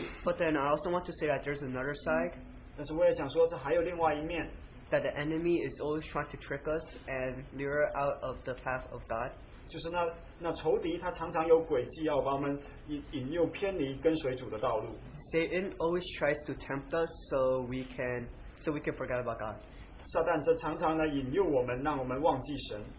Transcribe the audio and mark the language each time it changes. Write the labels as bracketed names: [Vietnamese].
[English] But then I also want to say that there's another side. [Chinese] 但是我也想说这还有另外一面。 [English] That the enemy is always trying to trick us and lure out of the path of God. [Chinese] 就是那仇敌他常常有诡计要把我们引诱偏离跟随主的道路。 [English] Satan always tries to tempt us so we can forget about God. [Chinese] 撒旦这常常来引诱我们，让我们忘记神。